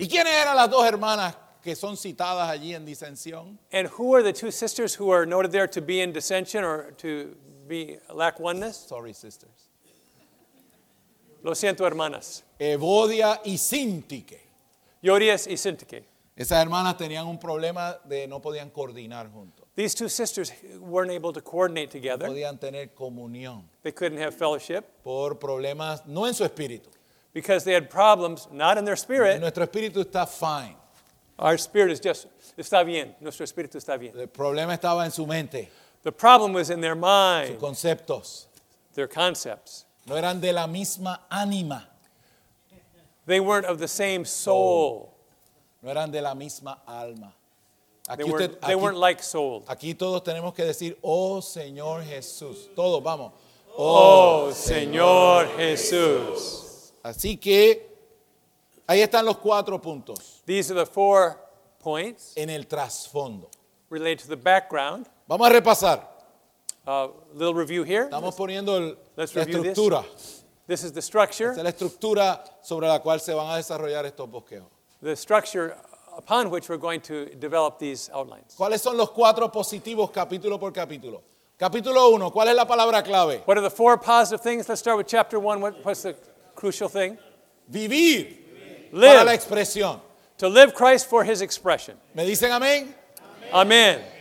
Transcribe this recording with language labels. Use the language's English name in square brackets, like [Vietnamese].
[Spanish] ¿Y quiénes eran las dos hermanas que son citadas allí en disensión? [English] And who are the two sisters who are noted there to be in dissension or to be lack oneness? Sorry, sisters. [Spanish] Lo siento, hermanas. Euodia y Síntique. Euodias y Síntique. Esas hermanas tenían un problema de no podían coordinar juntos. [English] These two sisters weren't able to coordinate together. [Spanish] No podían tener comunión. [English] They couldn't have fellowship. [Spanish] Por problemas, no en su espíritu. [English] Because they had problems, not in their spirit. [Spanish] Nuestro espíritu está [English] fine. Our spirit is just, [Spanish] está bien. Nuestro espíritu está bien. El problema estaba en su mente. [English] The problem was in their mind. [Spanish] Sus conceptos. [English] Their concepts. [Spanish] No eran de la misma ánima. [English] They weren't of the same soul. [Spanish] No eran de la misma alma. [English] Aquí they, usted, they weren't like soul. [Spanish] Aquí todos tenemos que decir, oh Señor Jesús. Todos, vamos. Oh, oh Señor Jesús. Así que ahí están los cuatro puntos. [English] These are the four points. [Spanish] En el trasfondo. [English] Related to the background. [Spanish] Vamos a repasar. [English] A little review here. [Spanish] Estamos poniendo la estructura. [English] This. This is the structure. [Spanish] Esta es la estructura sobre la cual se van a desarrollar estos bosquejos. [English] The structure upon which we're going to develop these outlines. [Spanish] ¿Cuáles son los cuatro positivos capítulo por capítulo? Capítulo uno, ¿cuál es la palabra clave? [English] What are the four positive things? Let's start with chapter one. What's the crucial thing? [Spanish] Vivir. [English] Live. [Spanish] Para la expresión. [English] To live Christ for his expression. [Spanish] ¿Me dicen amén? Amén. Amén.